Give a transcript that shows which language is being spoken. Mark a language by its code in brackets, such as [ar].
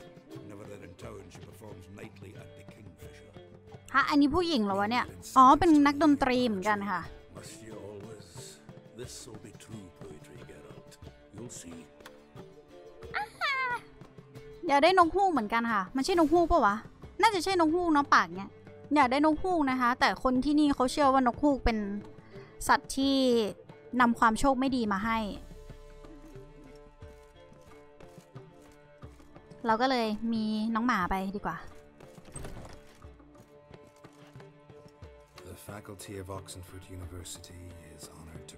[en] Whenever they're in town, she performs nightly at the Kingfisher. [th] ฮะอันนี้ผู้หญิงเหรอวะเนี่ยอ๋อเป็นนักดนตรีเหมือนกันค่ะ [en] Must you always? This will be true poetry, Geralt. You'll see. [th] อยากได้นกฮูกเหมือนกันค่ะมันใช่นกฮูกปะวะน่าจะใช่นกฮูกเนาะปากเนี้ยอยากได้นกฮูกนะคะแต่คนที่นี่เขาเชื่อว่านกฮูกเป็นสัตว์ที่นำความโชคไม่ดีมาให้เราก็เลยมีน้องหมาไปดีกว่า [en] The Faculty of Oxenfurt University is honored to